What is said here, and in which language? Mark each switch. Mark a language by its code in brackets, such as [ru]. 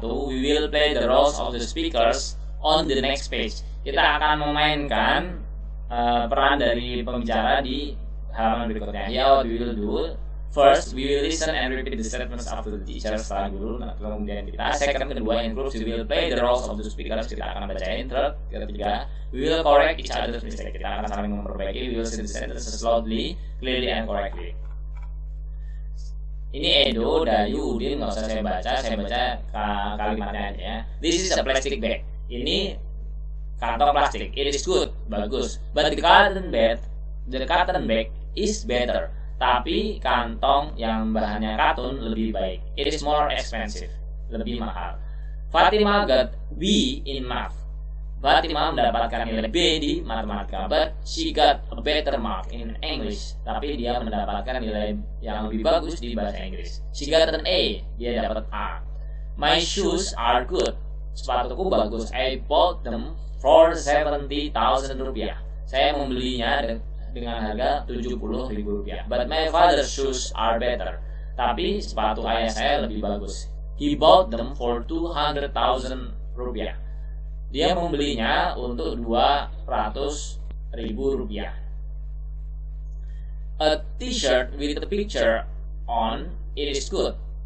[en] We will play the roles of the speakers on the next page. [id] Kita akan memainkan peran dari pembicara di halaman berikutnya. [en] Here we will do. First, we will listen and repeat the statements of the teacher [id] setelah guru. Nah, kemudian kita [en] second, kedua, in groups, we will play the roles of the speakers. [id] Kita akan bacain. [en] Third, [id] ketiga, [en] we will correct each other's mistake. [id] Kita akan saling memperbaiki. [en] We will say the sentences slowly, clearly, and correctly. [id] Ini Edo, Dayu, Udin, nggak usah saya baca kalimatnya aja ya. [en] This is a plastic bag. [id] Ini kantong plastik. [en] It is good, [id] bagus. [en] But the cotton bag is better. [id] Tapi kantong yang bahannya katun lebih baik. [en] It is more expensive, [id] lebih mahal. [en] Fatima got B in math. [id] Fatima mendapatkan nilai B di matematika. [en] But she got a better mark in English. [id] Tapi dia mendapatkan nilai yang lebih bagus di bahasa Inggris. [en] She got an A, [id] dia dapat A. [en] My shoes are good, [id] sepatuku bagus. [en] I bought them for 70,000 rupiah. [id] Saya membelinya dengan harga 70.000 rupiah. [en] But my father's shoes are better, [id] tapi sepatu ayah saya lebih bagus. [en] He bought them for 200,000 rupiah. [id] Dia membelinya untuk 200.000 rupiah. [en] A t-shirt with a picture on it is good.